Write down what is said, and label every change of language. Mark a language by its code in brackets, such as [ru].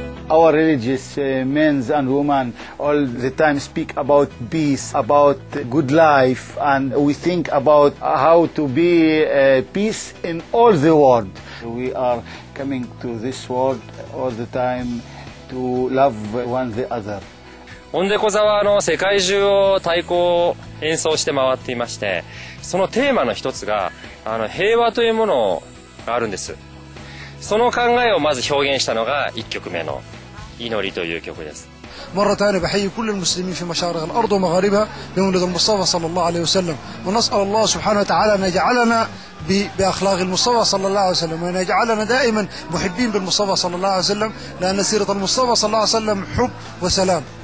[en] Our religious men and women all the time speak about peace, about good life, and we think about how to be peace in all the world. We are coming to this world all the time to love one the other. [ja] オンデコザは世界中を太鼓を演奏して回っていまして、そのテーマの一つが平和というものがあるんです。その考えをまず表現したのが1曲目の祈りという曲です。 [ar] مرة ثانية بحيي كل المسلمين في مشارق الأرض ومغاربها بمولد المصطفى صلى الله عليه وسلم، ونسأل الله سبحانه وتعالى أن يجعلنا بأخلاق المصطفى صلى الله عليه وسلم، وأن يجعلنا دائما محبين بالمصطفى صلى الله عليه وسلم، لأن سيرة المصطفى صلى الله عليه وسلم حب وسلام.